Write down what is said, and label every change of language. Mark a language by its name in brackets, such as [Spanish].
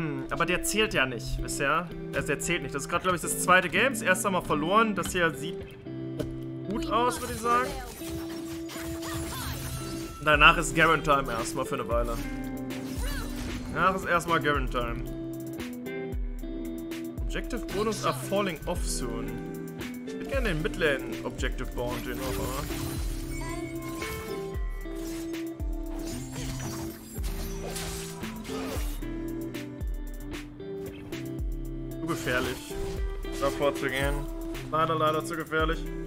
[German] Aber der zählt ja nicht, wisst ihr? Also der zählt nicht. Das ist gerade, glaube ich, das zweite Game. Das erste Mal verloren. Das hier sieht gut aus, würde ich sagen. Danach ist Garen Time erstmal für eine Weile. Danach ist erstmal Garen Time. [English] Objective Bonus are falling off soon. [German] Ich würde gerne den Midlane Objective Bounty nochmal. Gefährlich, davor zu gehen. Leider zu gefährlich.